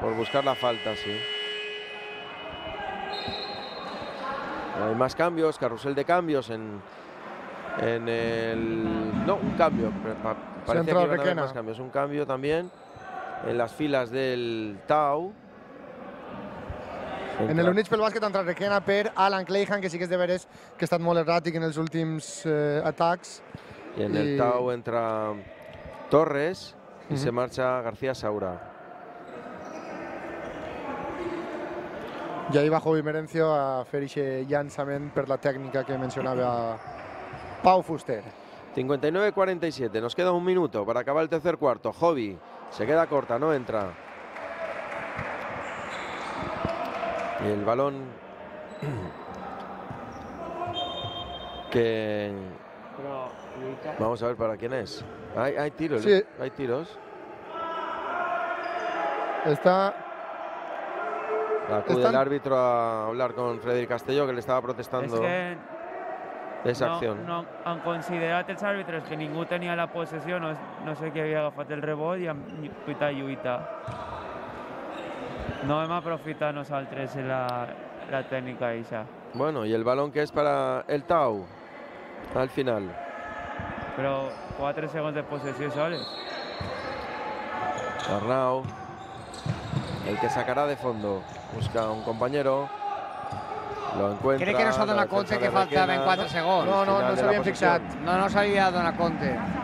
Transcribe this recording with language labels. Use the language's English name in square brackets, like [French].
[Spanish] Por buscar la falta, sí. Hay más cambios, carrusel de cambios en el. No, un cambio. Parece que hay más cambios. Un cambio también en las filas del Tau. [Catalan] En el Units pel Bàsquet entra Requena per Alan Kleihan, que sí que és de veres que ha estat molt erràtic en els últims atacs. I en el Tau entra Torres i se marxa García Saura. I ahí va Jovi Merencio a fer aquest llançament per la tècnica que mencionava Pau Fuster. [Spanish] 59-47, nos queda un minuto para acabar el tercer cuarto. Jovi se queda corta, no entra. Y el balón que vamos a ver para quién es. Hay tiros, sí. Hay tiros. Está. Acude el árbitro a hablar con Freddy Castelló, que le estaba protestando. Es que esa acción. No han considerado los árbitros que ninguno tenía la posesión, no sé qué había agafado el rebote y han pitado lluita. [Catalan] No hem aprofitat nosaltres la tècnica aquesta. Bueno, i el balón que és per el Tau, al final. Però 4 segons de possessió soles. [Spanish] Arnau, el que sacarà de fondo, busca un compañero. Lo encuentra. ¿Cree que no es a Donaconte que faltaba Requena en 4 segundos? No se habían fixado. No sabía Donaconte.